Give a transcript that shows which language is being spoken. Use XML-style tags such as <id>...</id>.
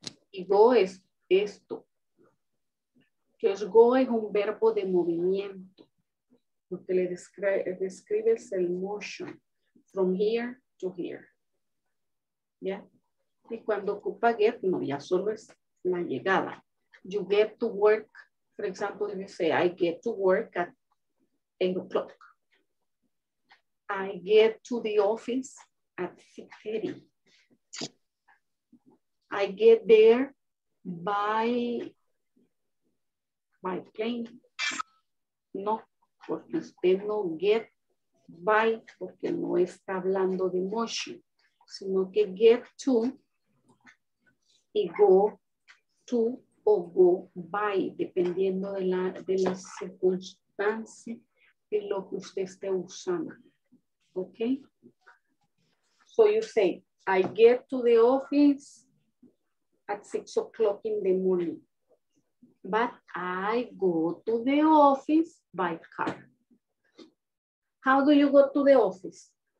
<es>Y go es esto. Que es go es un verbo de movimiento. Porque le describes el</es> <en>motion from here to here.</en> <es>¿Ya? Y cuando ocupa get, no, ya solo es la llegada.</es> <en>You get to work, for example, if you say, I get to work at 8 o'clock. I get to the office at 6:30. I get there by plane.</en> <es>No, porque usted no get by, porque no está hablando de motion, sino que get to y go to o go by, dependiendo de la circunstancia de lo que usted esté usando.</es> <en>Okay? So you say, I get to the office at 6 o'clock in the morning, but I go to the office by car. How do you go to the office?</en>